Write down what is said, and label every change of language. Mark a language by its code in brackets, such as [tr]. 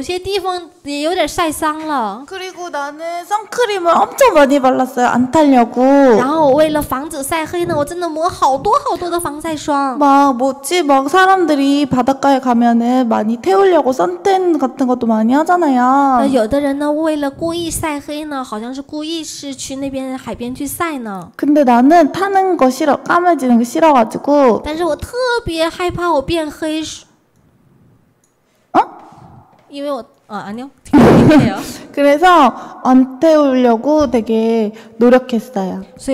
[zh] 他昨天其实我也有晒黑呀，有些地方也有点晒伤了。 [ko] 그리고 나는 선크림을 엄청 많이 발랐어요. 안 타려고. [zh] 然后为了防止晒黑呢，我真的抹好多好多的防晒霜。 [ko] 막 뭐지? 막 사람들이 바닷가에 가면은 많이 태우려고 선탠 같은 것도 많이 하잖아요. [zh] 有的人呢，为了故意晒黑呢，好像是故意是去那边海边去晒呢。 [ko] 근데 나는 타는 거 싫어, 까매지는 거 싫어가지고. [zh] 但是我特别害怕我变黑。 [ko] 이미 옷 아, 아니요. 그래서 안 태우려고 되게 노력했어요.